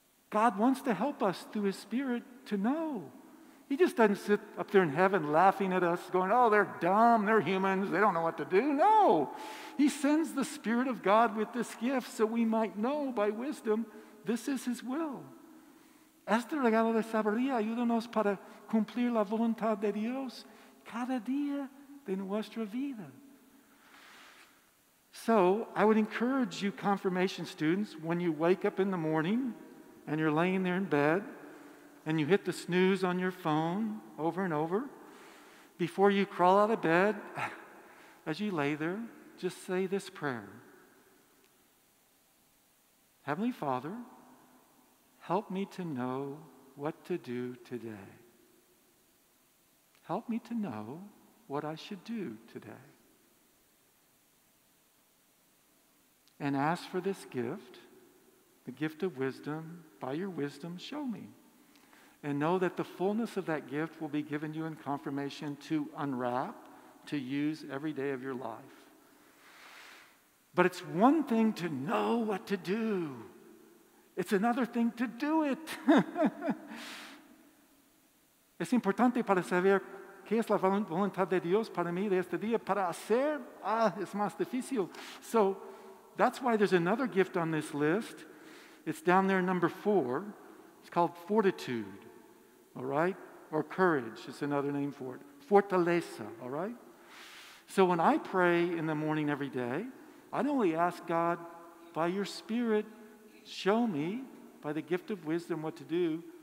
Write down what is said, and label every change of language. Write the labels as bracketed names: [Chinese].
[English] God wants to help us through his Spirit to know. He just doesn't sit up there in heaven laughing at us, going, oh, they're dumb, they're humans, they don't know what to do. No, he sends the Spirit of God with this gift so we might know by wisdom this is his will. [Spanish] Este regalo de sabiduría, ayúdanos para cumplir la voluntad de Dios cada día de nuestra vida. [English] So, I would encourage you confirmation students, when you wake up in the morning and you're laying there in bed and you hit the snooze on your phone over and over, before you crawl out of bed, as you lay there, just say this prayer. Heavenly Father, help me to know what to do today. Help me to know what I should do today. And ask for this gift, the gift of wisdom, by your wisdom, show me. And know that the fullness of that gift will be given you in confirmation to unwrap, to use every day of your life. But it's one thing to know what to do. It's another thing to do it. [Spanish] Es importante para saber qué es la voluntad de Dios para mí de este día. Para hacer, es más difícil. [English] So that's why there's another gift on this list. It's down there, number 4. It's called fortitude, all right? Or courage, it's another name for it. Fortaleza, all right? So when I pray in the morning every day, I only ask God, by your Spirit, show me, by the gift of wisdom, what to do.